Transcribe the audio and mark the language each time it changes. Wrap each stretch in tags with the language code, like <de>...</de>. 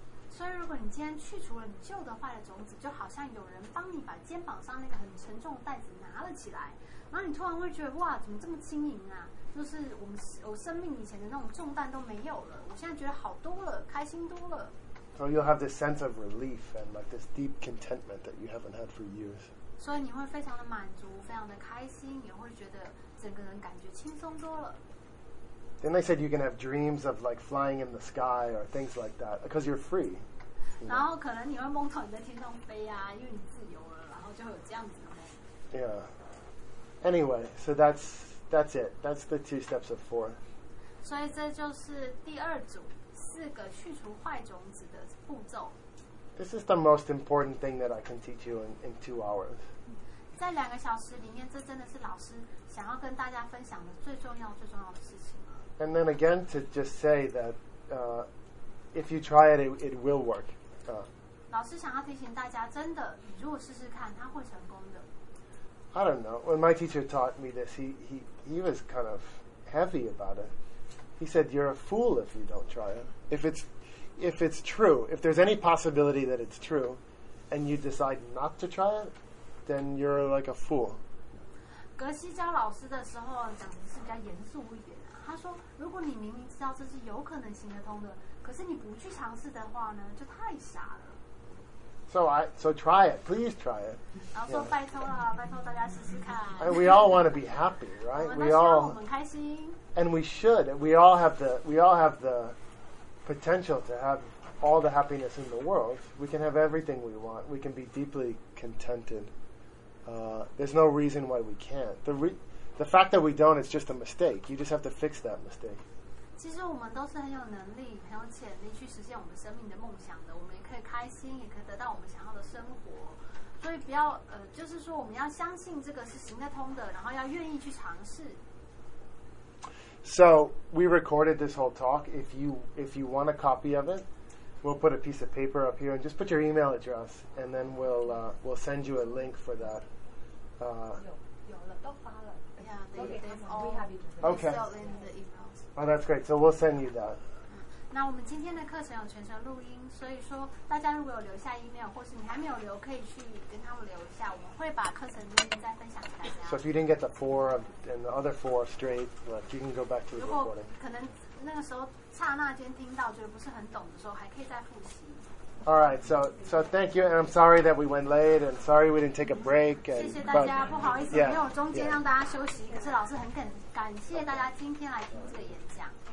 <zh>所以如果你今天去除了你旧的坏的种子，就好像有人帮你把肩膀上那个很沉重的袋子拿了起来，然后你突然会觉得哇，怎么这么轻盈啊？就是我生命以前的那种重担都没有了，我现在觉得好多了，开心多了。</zh> <en>So you'll have this sense of relief and like this deep contentment that you haven't had for years.</en> <zh>所以你会非常的满足，非常的开心，也会觉得整个人感觉轻松多了。</zh> <en>Then they said you can have dreams of like flying in the sky or things like that because you're free.</en> <zh>然后可能你会梦到你在天上飞啊，因为你自由了，然后就会有这样子的梦。</zh> <en>Yeah. Anyway, so that's it. That's the two steps of four.</en> <zh>所以这就是第二组四个去除坏种子的步骤。</zh> <en>This is the most important thing that I can teach you in 2 hours.</en> <zh>在两个小时里面，这真的是老师想要跟大家分享的最重要、最重要的事情。</zh> <en>And then again, to just say that if you try it, it will work.</en> <zh>老师想要提醒大家，真的，你如果试试看，它会成功的。</zh> <en>I don't know. When my teacher taught me this, he was kind of heavy about it. He said, "You're a fool if you don't try it. If it's true, if there's any possibility that it's true, and you decide not to try it, then you're like a fool."</en> <zh>格西教老师的时候讲的是比较严肃一点啊。他说，如果你明明知道这是有可能行得通的，可是你不去尝试的话呢，就太傻了。</zh> <en>So try it, please try it.</en> <zh>然后说拜托了，拜托大家试试看。</zh> <en>And we all want to be happy, right? We all.</en> <zh>我们开心。</zh> <en>And we should. We all have the potential to have all the happiness in the world. We can have everything we want. We can be deeply contented. There's no reason why we can't. The fact that we don't is just a mistake. You just have to fix that mistake.</en> <zh>其实我们都是很有能力、很有潜力去实现我们生命的梦想的。我们也可以开心，也可以得到我们想要的生活。所以不要就是说我们要相信这个是行得通的，然后要愿意去尝试。</zh> <en>So we recorded this whole talk. If you want a copy of it, we'll put a piece of paper up here and just put your email address, and then we'll send you a link for that.</en> <zh>有了，都发了。</zh> <en>Yeah, they have all. Okay. Still in the emails. Oh, that's great. So we'll send you that.</en> <zh>那我们今天的课程有全程录音，所以说大家如果有留下 email 或是你还没有留，可以去跟他们留一下，我们会把课程录音再分享给大家。</zh> <en>So if you didn't get the four and the other four straight, look, you can go back to the recording.</en> <zh>如果可能那个时候刹那间听到觉得不是很懂的时候，还可以再复习。</zh> <en>All right, so thank you, and I'm sorry that we went late, and sorry we didn't take a break.</en> <zh>谢谢大家，不好意思，没有中间让大家休息。可是老师很感谢大家今天来听这个演讲。</zh>